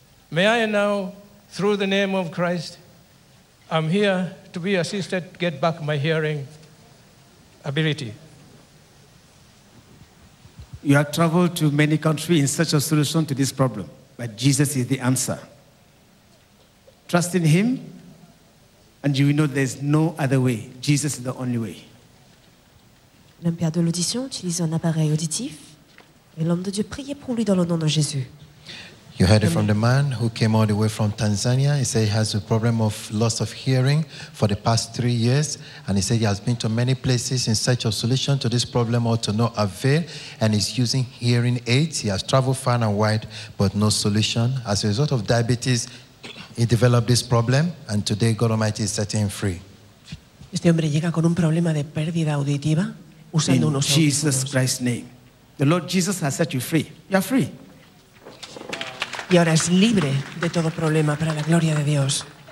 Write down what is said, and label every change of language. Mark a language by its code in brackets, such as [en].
[en] May I now, through the name of Christ, I'm here to be assisted to get back my hearing ability. You have traveled to many countries in search of solution to this problem. But Jesus is the answer. Trust in him, and you will know there's no other way. Jesus is the only way. [fr] L'homme perd de l'audition, utilise un appareil auditif, et l'homme de Dieu priait pour lui dans le nom de Jésus. [en] You heard it from the man who came all the way from Tanzania. He said he has a problem of loss of hearing for the past 3 years. And he said he has been to many places in search of solution to this problem or to no avail. And he's using hearing aids. He has traveled far and wide, but no solution. As a result of diabetes, he developed this problem. And today, God Almighty is setting him free. [es] Este hombre llega con un problema de pérdida auditiva usando unos [en] In Jesus Christ's name. The Lord Jesus has set you free. You are free. [es] Y ahora es libre de todo problema para la gloria de Dios.